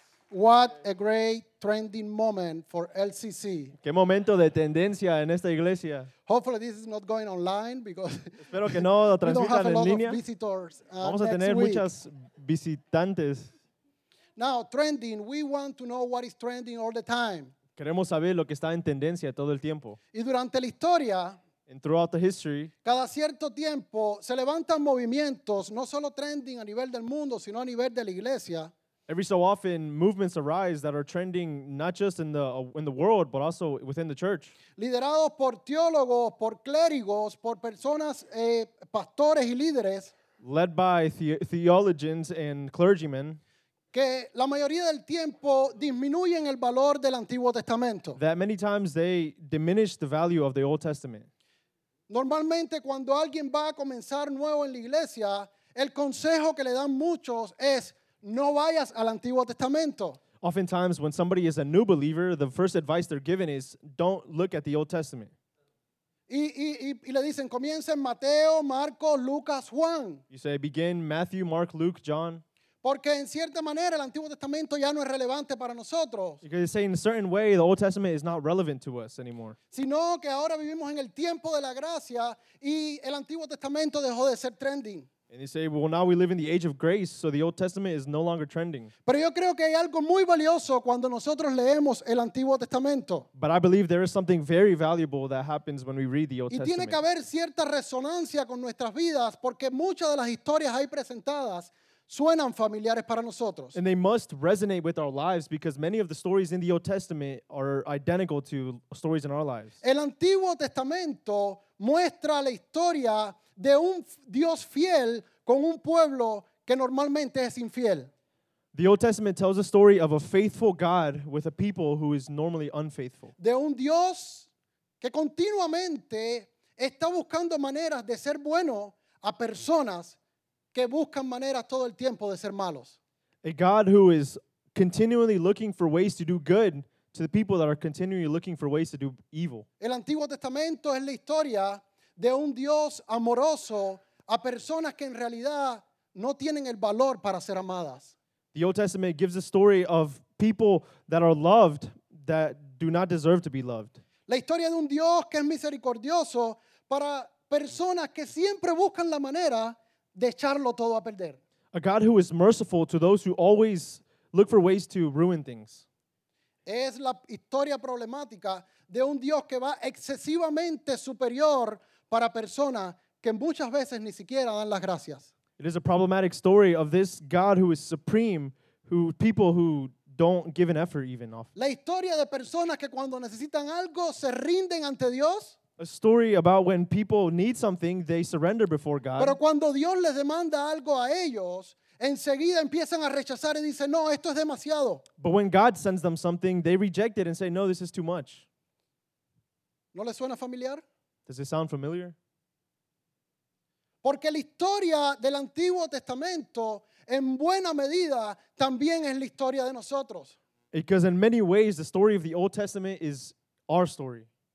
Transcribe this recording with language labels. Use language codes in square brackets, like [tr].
[en] What a great trending moment for LCC. [es] Qué momento de tendencia en esta iglesia. [en] Hopefully this is not going online because [es] espero que no lo transmitan en línea. Vamos a tener muchas visitantes. [en] Now trending, we want to know what is trending all the time. [es] Queremos saber lo que está en tendencia todo el tiempo. Y durante la historia, [en] and throughout the history, [es] cada cierto tiempo se levantan movimientos no solo trending a nivel del mundo, sino a nivel de la iglesia. [en] Every so often, movements arise that are trending not just in the world, but also within the church. [es] Liderados por teólogos, por clérigos, por personas, pastores y líderes. [en] Led by theologians and clergymen. [es] Que la mayoría del tiempo disminuyen el valor del Antiguo Testamento. [en] That many times they diminish the value of the Old Testament. [es] Normalmente, cuando alguien va a comenzar nuevo en la iglesia, el consejo que le dan muchos es no vayas al Antiguo Testamento. [en] Oftentimes, when somebody is a new believer, the first advice they're given is, don't look at the Old Testament. [es] Y le dicen, comienza en Mateo, Marcos, Lucas, Juan. [en] You say, begin Matthew, Mark, Luke, John. [es] Porque en cierta manera el Antiguo Testamento ya no es relevante para nosotros. [en] Because you say, in a certain way, the Old Testament is not relevant to us anymore. [es] Sino que ahora vivimos en el tiempo de la gracia y el Antiguo Testamento dejó de ser trending. [en] And they say, well, now we live in the age of grace, so the Old Testament is no longer trending. [es] Pero yo creo que hay algo muy valioso cuando nosotros leemos el Antiguo Testamento. [en] But I believe there is something very valuable that happens when we read the Old Testament. [es] Y tiene que haber cierta resonancia con nuestras vidas porque muchas de las historias ahí presentadas suenan familiares para nosotros. [en] And they must resonate with our lives because many of the stories in the Old Testament are identical to stories in our lives. [es] El Antiguo Testamento muestra la historia de un Dios fiel con un pueblo que normalmente es infiel. [en] The Old Testament tells a story of a faithful God with a people who is normally unfaithful. [es] De un Dios que continuamente está buscando maneras de ser bueno a personas que buscan maneras todo el tiempo de ser malos. [en] A God who is continually looking for ways to do good to the people that are continually looking for ways to do evil. [es] El Antiguo Testamento es la historia de un Dios amoroso a personas que en realidad no tienen el valor para ser amadas. [en] The Old Testament gives a story of people that are loved that do not deserve to be loved. [es] La historia de un Dios que es misericordioso para personas que siempre buscan la manera de echarlo todo a perder. [en] A God who is merciful to those who always look for ways to ruin things. [es] Es la historia problemática de un Dios que va excesivamente superior para personas que muchas veces ni siquiera dan las gracias. [en] It is a problematic story of this God who is supreme, who people who don't give an effort even off. [es] La historia de personas que cuando necesitan algo se rinden ante Dios. [en] A story about when people need something, they surrender before God. [es] Pero cuando Dios les demanda algo a ellos, enseguida empiezan a rechazar y dicen, no, esto es demasiado. [en] But when God sends them something, they reject it and say, no, this is too much. [es] ¿No les suena familiar? [en] Does it sound familiar? [es] Porque la historia del Antiguo Testamento en buena medida también es la historia de nosotros. [en] Because in many ways the story of the Old Testament is our story.